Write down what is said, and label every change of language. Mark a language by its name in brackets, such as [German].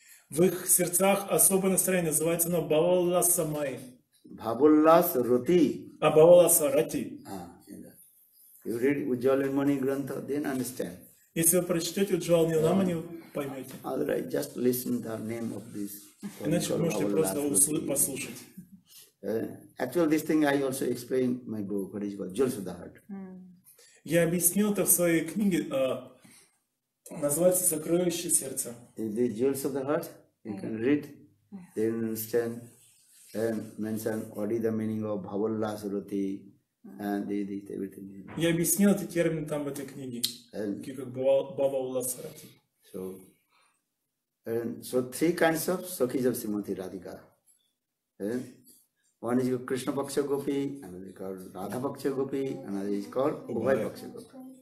[Russian] В их сердцах особое настроение называется оно Bhavullas Samai. Bhavullas Roti. А Bhavullas Roti. [English] You read Ujjvalamani Grantha, then understand. [Russian] Если вы прочтете Ujjvalamani, поймете. [English] Otherwise, just listen to the name of this. [Russian] Иначе можете просто послушать. [English] Actually, this thing I also explain my book, what is called Jewels of the Heart. [Russian] Я объяснил это в своей книге, называется «Сокровище сердца». [English] The Jewels of the Heart, you can read, then understand, and mention what is the meaning of Bhavullas Roti, and this everything. [Russian] Я объяснил эти термины там в этой книге, как Бхавуллас Роти. [English] So three kinds of Sakhis of Srimati Radhika. One is called Krishna Paksha Gopi, another is called Radha Paksha Gopi, another is called Ubhai Paksha Gopi.